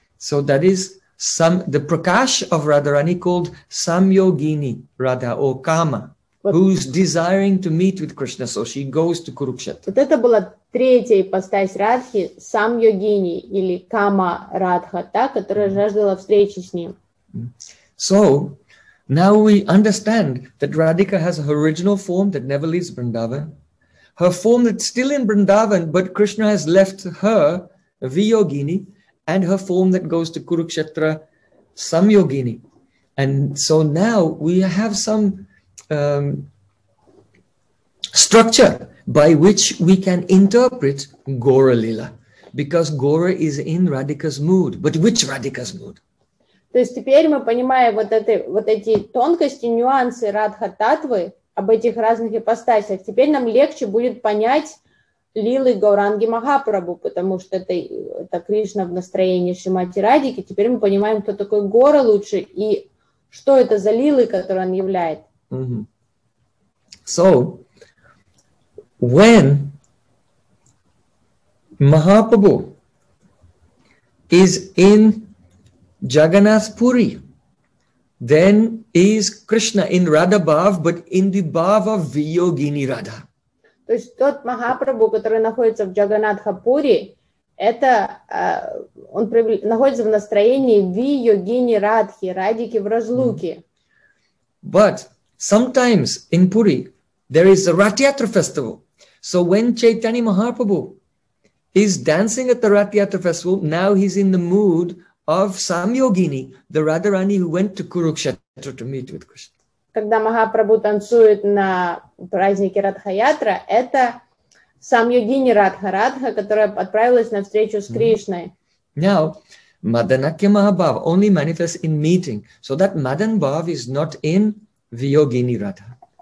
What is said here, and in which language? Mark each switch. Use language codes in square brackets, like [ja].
[en] So that is some the prakash of Radharani called Samyogini Radha or Kama, вот, who's desiring to meet with Krishna, so she goes to Kurukshetra. [ru] Вот это была третья ипостась Радхи, Самйогини или Кама Радха, та, которая жаждала встречи с ним. [en] So now we understand that Radhika has her original form that never leaves Vrindavan, her form that's still in Vrindavan, but Krishna has left her Viyogini, and her form that goes to Kurukshetra, Samyogini. And so now we have some structure by which we can interpret Gaura Lila, because Gaura is in Radhika's mood. But which Radhika's mood? [ru] То есть теперь мы понимая вот эти тонкости, нюансы Радха Татвы об этих разных ипостасях, теперь нам легче будет понять Лилы Гауранги Махапрабху, потому что это Кришна в настроении Шримати Радики. Теперь мы понимаем, кто такой Гаура лучше и что это за Лилы, которые он являет. Mm-hmm. [en] So, when Mahaprabhu is in Jagannath Puri, then is Krishna in Radha Bhav, but in the Bhav of Viyogini Radha. [ru] То есть тот Махапрабху, который находится в Джаганатхапури, это он находится в настроении Виогини Радхи, Радики в разлуке. [en] But sometimes in Puri there is a Ratyatra festival. So when Chaitanya Mahaprabhu is dancing at the Ratyatra festival, now he's in the mood of Samyogini, the Radharani who went to Kurukshetra to meet with Krishna. [ru] Когда Махапрабху танцует на празднике Радхаятра, это Самйогини Радха, Радха, которая отправилась на встречу с Кришной. [en] Now, Маданакья Махабхава only manifests in meeting, so that Madan Bhav is not in Viyogini Radha.